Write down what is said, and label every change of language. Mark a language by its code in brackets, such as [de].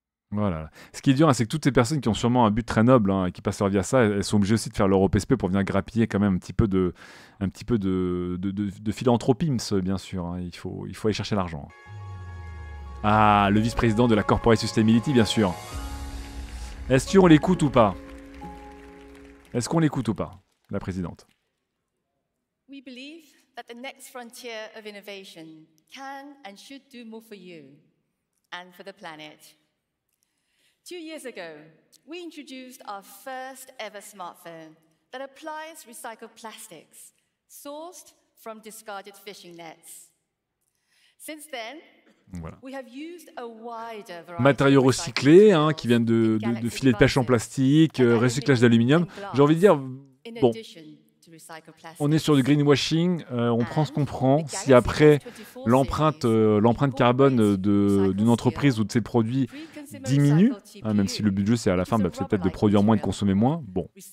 [fr] Voilà. Ce qui est dur, hein, c'est que toutes ces personnes qui ont sûrement un but très noble, hein, et qui passent leur vie à ça, elles sont obligées aussi de faire leur OPSP pour venir grappiller quand même un petit peu de philanthropie, bien sûr. Hein. Il faut aller chercher l'argent. Ah, le vice-président de la Corporate Sustainability, bien sûr. Est-ce qu'on l'écoute ou pas? Est-ce qu'on l'écoute ou pas, la présidente? [en] We believe that the next frontier of innovation can and should do more for you and for the planet. 2 years ago, we introduced our first ever smartphone that applies recycled plastics sourced from discarded fishing nets. Since then, [fr] voilà. [en] We have used a wider variety [fr] matériaux recyclés, hein, qui viennent de filets de pêche en plastique, recyclage d'aluminium. J'ai envie de dire, bon, on est sur du greenwashing, on prend ce qu'on prend. Si après, l'empreinte carbone d'une entreprise ou de ses produits diminue, hein, même si le budget c'est à la fin, bah, c'est peut-être de produire moins, de consommer moins, bon.